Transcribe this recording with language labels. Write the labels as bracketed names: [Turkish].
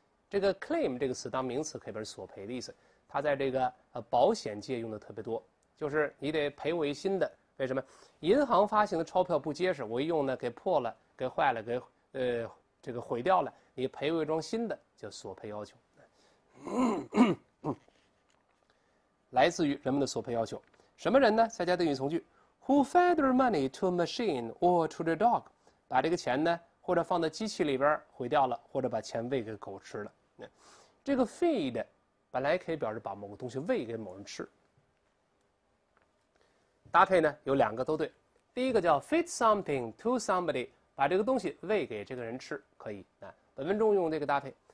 [Chinese] 这个 claim 这个词当名词可以表示索赔的意思，它在这个保险界用的特别多，就是你得赔我一新的。为什么？银行发行的钞票不结实，我一用呢给破了、给坏了、给这个毁掉了，你赔我一张新的，叫索赔要求。来自于人们的索赔要求。什么人呢？再加定语从句 [English] ，Who fed their money to a machine or to the dog？ [Chinese] 把这个钱呢或者放在机器里边毁掉了，或者把钱喂给狗吃了。这个 feed 本来可以表示把某个东西喂给某人吃，搭配呢有两个都对。第一个叫 [English] feed something to somebody， [Chinese] 把这个东西喂给这个人吃，可以本文中用这个搭配。